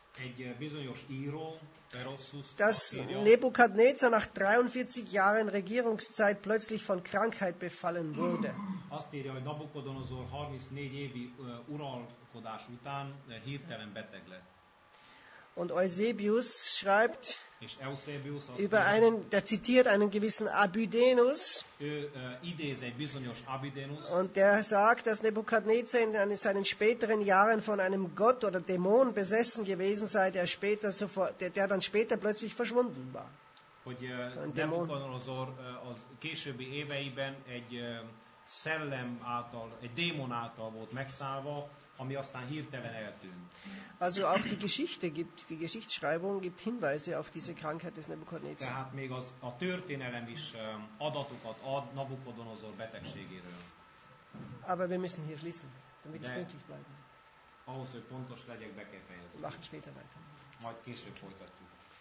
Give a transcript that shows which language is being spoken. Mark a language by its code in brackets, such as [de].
[hu] egy bizonyos író, Berossus, [de] dass Nebukadnezar nach 43 Jahren Regierungszeit plötzlich von Krankheit befallen wurde. [hu] Azt írja, hogy Nabukodonozor 34 évi uralkodás után hirtelen beteg lett. [de] Und Eusebius schreibt, [hu] és Eusebius [de] über einen, der zitiert einen gewissen Abydenus, [hu] idéz egy bizonyos Abydenus, [de] und der sagt, dass Nebukadnezar in seinen späteren Jahren von einem Gott oder Dämon besessen gewesen sei, der dann später plötzlich verschwunden war. [hu] Hogy Nebukadnezar az későbbi éveiben egy szellem által, egy démon által volt megszállva, ami aztán hirtelen eltűnt. [de] Also auch die Geschichtsschreibung gibt Hinweise auf diese Krankheit des Nebukadnezar. [hu] Tehát még a történelem is adatokat ad Nabukodonozor betegségéről. [de] Aber wir müssen hier schließen, damit ich pünktlich bleibe. [hu] Ahhoz, hogy pontos legyek, be kell fejezni. [de] Machen später weiter. [hu] Majd később folytatjuk.